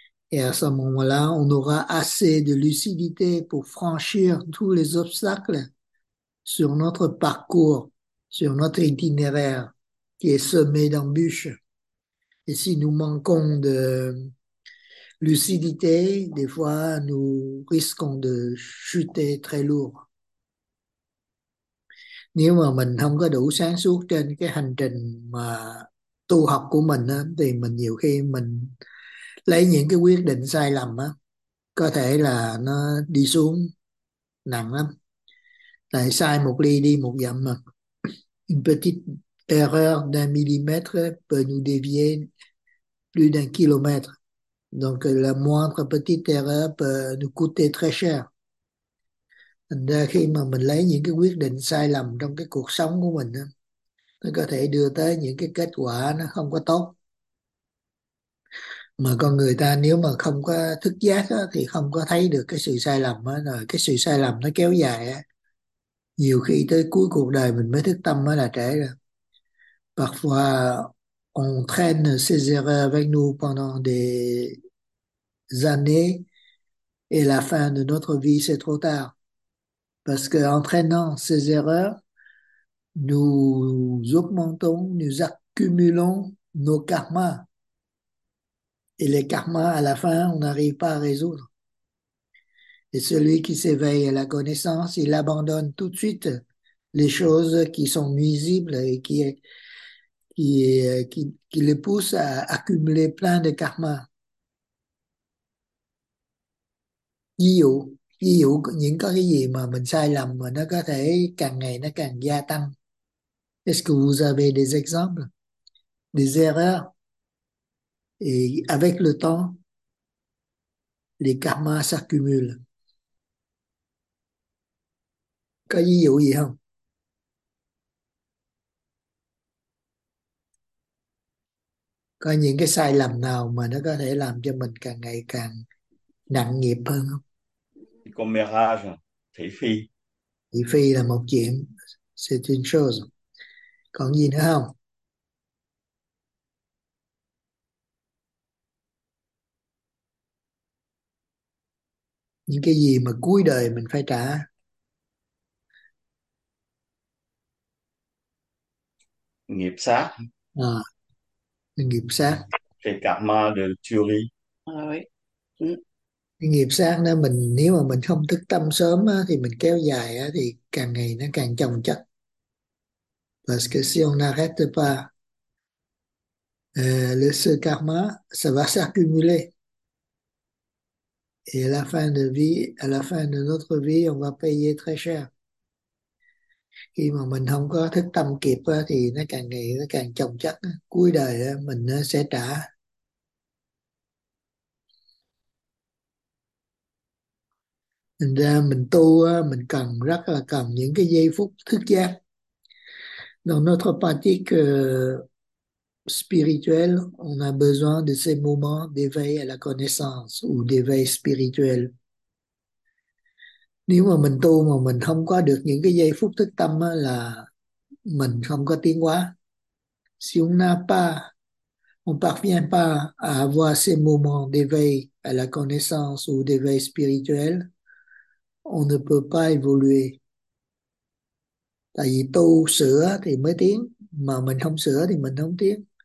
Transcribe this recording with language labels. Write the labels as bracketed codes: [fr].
[fr] Et à ce moment-là, on aura assez de lucidité pour franchir tous les obstacles sur notre parcours, sur notre itinéraire qui est semé d'embûches. Et si nous manquons de lucidité, des fois, nous risquons de chuter très lourd. [vi] Nếu mà mình không có đủ sáng suốt trên cái hành trình mà tu học của mình á, thì mình nhiều khi mình lấy những cái quyết định sai lầm á, có thể là nó đi xuống nặng lắm. Tại sai một ly đi một dặm mà. [fr] Une petite erreur d'1 mm peut nous dévier plus d'1 km. Donc la moindre petite erreur peut nous coûter très cher. [vi] Thành ra khi mà mình lấy những cái quyết định sai lầm trong cái cuộc sống của mình, nó có thể đưa tới những cái kết quả nó không có tốt. Mà con người ta nếu mà không có thức giác đó, thì không có thấy được cái sự sai lầm đó. Rồi cái sự sai lầm nó kéo dài đó. Nhiều khi tới cuối cuộc đời mình mới thức tâm mới là trễ rồi. [fr] Parfois, on traîne ses erreurs avec nous pendant des années et la fin de notre vie, c'est trop tard. Parce que entraînant ces erreurs, nous augmentons, nous accumulons nos karmas. Et les karmas, à la fin, on n'arrive pas à résoudre. Et celui qui s'éveille à la connaissance, il abandonne tout de suite les choses qui sont nuisibles et qui le poussent à accumuler plein de karmas. [vi] Ví dụ những cái gì mà mình sai lầm mà nó có thể càng ngày nó càng gia tăng. [fr] Est-ce que vous avez des exemples, des erreurs? Et avec le temps, les karmas s'accumulent. [vi] Có ví dụ gì không? Có những cái sai lầm nào mà nó có thể làm cho mình càng ngày càng nặng nghiệp hơn không? Commérage, thị phi. Thị phi là một chuyện, [fr] c'est une chose. [vi] Còn gì nữa không? Những cái gì mà cuối đời mình phải trả? Nghiệp sát À, nghiệp sát. thì cảm ơn được jury. Nghiệp sát đó, mình nếu mà mình không thức tâm sớm á, thì mình kéo dài á, thì càng ngày nó càng chồng chất. [fr] Parce que si on n'arrête pas le karma, ça va s'accumuler. Et à la fin de notre vie, on va payer très cher. [vi] Khi mà mình không có thức tâm kịp á, thì nó càng ngày nó càng chồng chất á. Cuối đời á, mình nó sẽ trả. Thành ra mình tu mình cần, rất là cần những cái giây phút thức giác. [fr] Dans notre pratique spirituelle, on a besoin de ces moments d'éveil à la connaissance ou d'éveil spirituel. [vi] Nếu mà mình tu mà mình không có được những cái giây phút thức tâm là mình không có tiến hóa. [fr] Si on n'a pas, on parvient pas à avoir ces moments d'éveil à la connaissance ou d'éveil spirituel, on ne peut pas évoluer. [vi] Tại vì tu sửa thì mới tiến, mà mình không sửa thì mình không tiến.